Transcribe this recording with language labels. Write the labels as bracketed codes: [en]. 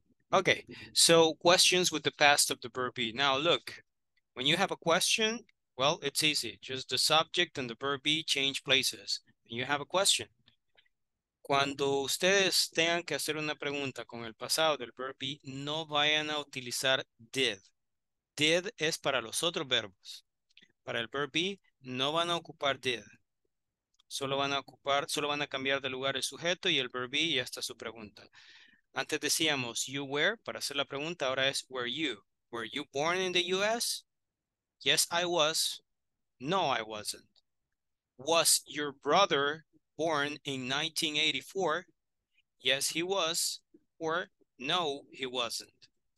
[en] Okay, so questions with the past of the verb be. Now look, when you have a question, well, it's easy. Just the subject and the verb be change places. And you have a question. [es] Cuando ustedes tengan que hacer una pregunta con el pasado del verb be, no vayan a utilizar did. Did es para los otros verbos. Para el verb be, no van a ocupar did. Solo van a ocupar, solo van a cambiar de lugar el sujeto y el verb be y hasta su pregunta. Antes decíamos [en] you were [es] para hacer la pregunta, ahora es [en] were you. Were you born in the US? Yes, I was. No, I wasn't. Was your brother born in 1984? Yes, he was. Or no, he wasn't.